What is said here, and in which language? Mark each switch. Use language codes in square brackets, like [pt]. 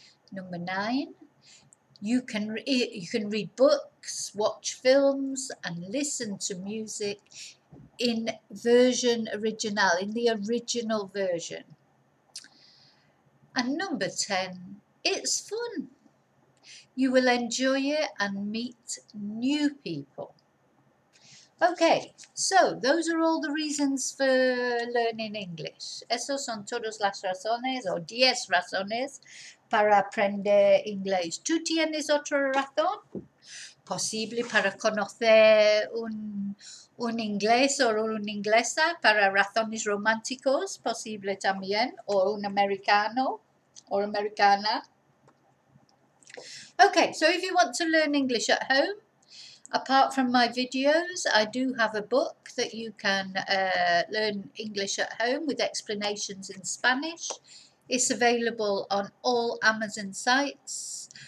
[en] Number nine, you can read books, watch films, and listen to music in version original, in the original version. And number 10, it's fun. You will enjoy it and meet new people. Okay, so those are all the reasons for learning English. [es] Esas son todas las razones o 10 razones para aprender inglés. ¿Tú tienes otra razón? Posible para conocer un inglés o una inglesa para razones románticos, posible también, o un americano. [en] Or Americana. Okay, so if you want to learn English at home, apart from my videos, I do have a book that you can learn English at home with explanations in Spanish. It's available on all Amazon sites.